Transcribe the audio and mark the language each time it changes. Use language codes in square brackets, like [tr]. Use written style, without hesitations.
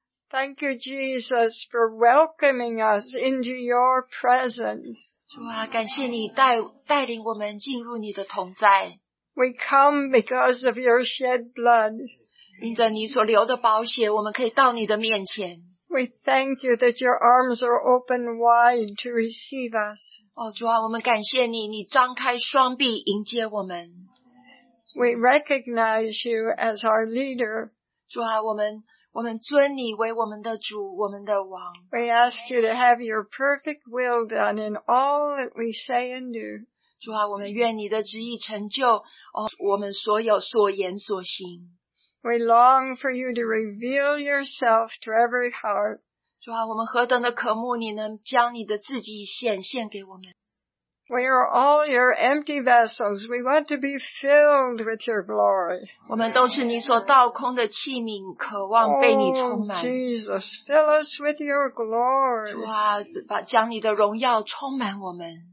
[en] Thank you, Jesus, for welcoming us into your presence. [zh] 主啊, 感谢你带领我们进入你的同在。 [en] We come because of your shed blood. [zh] 因着你所流的宝血, 我们可以到你的面前。 [en] We thank you that your arms are open wide to receive us. [zh] 哦, 主啊, 我们感谢你, 你张开双臂迎接我们。 [en] We recognize you as our leader. [zh] 主啊, 我们尊你为我们的主, 我们的王。 [en] We ask you to have your perfect will done in all that we say and do. [zh] 主啊, 我们愿你的旨意成就, 哦, 我们所有所言所行。 [en] We long for you to reveal yourself to every heart. [zh] 主啊，我们何等的渴慕你能将你的自己显现给我们。 [en] We are all your empty vessels. We want to be filled with your glory. [zh] 我们都是你所倒空的器皿，渴望被你充满。 [en] Oh, Jesus, fill us with your glory. [zh] 主啊，把将你的荣耀充满我们。